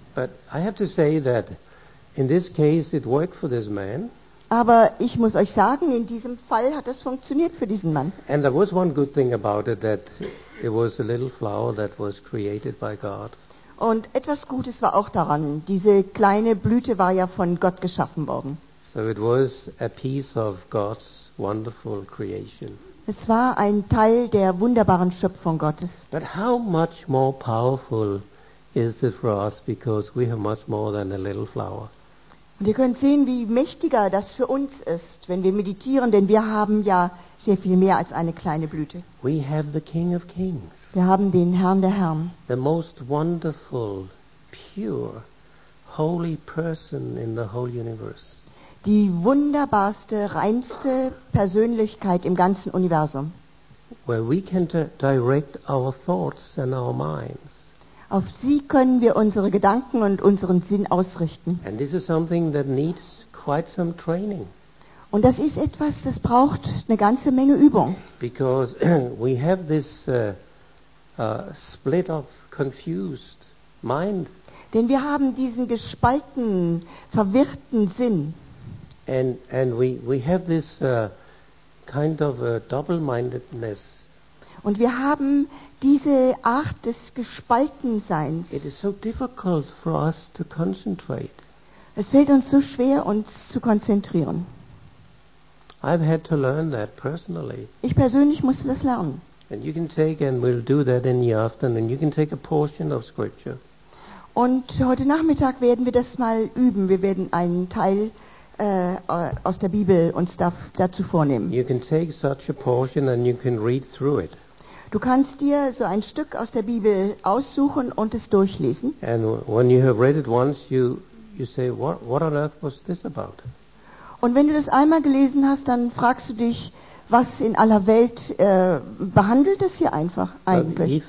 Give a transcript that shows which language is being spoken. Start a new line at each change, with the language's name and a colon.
English: But I have to say that in this case it worked for this man.
German: Aber ich muss euch sagen, in diesem Fall hat es funktioniert für diesen Mann.
English: And there was one good thing about it, that it was a little flower that was created by God.
German: Und etwas Gutes war auch daran, diese kleine Blüte war ja von Gott geschaffen worden.
English: So it was a piece of God's wonderful creation.
German: Es war ein Teil der wunderbaren Schöpfung Gottes.
English: But how much more powerful is it for us, because we have much more than a little flower.
German: Und ihr könnt sehen, wie mächtiger das für uns ist, wenn wir meditieren, denn wir haben ja sehr viel mehr als eine kleine Blüte.
English: We have the King of Kings.
German: Wir haben den Herrn der Herren.
English: The most wonderful, pure, holy person in the whole universe.
German: Die wunderbarste, reinste Persönlichkeit im ganzen Universum.
English: Where we can direct our thoughts and our minds.
German: Auf sie können wir unsere Gedanken und unseren Sinn ausrichten.
English: And this is something that needs quite some training.
German: Und das ist etwas, das braucht eine ganze Menge Übung.
English: Because we have this split of confused mind.
German: Denn wir haben diesen gespalten, verwirrten Sinn.
English: And we have this kind of a double-mindedness.
German: Und wir haben diese Art des Gespaltenseins.
English: It is so difficult for us to concentrate.
German: Es fällt uns so schwer, uns zu konzentrieren.
English: I've had to learn that personally.
German: Ich persönlich musste das lernen.
English: And you can take, and we'll do that in the afternoon, you can take a portion of scripture.
German: Und heute Nachmittag werden wir das mal üben. Wir werden einen Teil aus der Bibel uns dazu vornehmen.
English: You can take such a portion and you can read through it.
German: Du kannst dir so ein Stück aus der Bibel aussuchen und es durchlesen.
English: And when you have read it once, you say, what on earth was this about?
German: Und wenn du das einmal gelesen hast, dann fragst du dich, was in aller Welt behandelt es hier einfach eigentlich?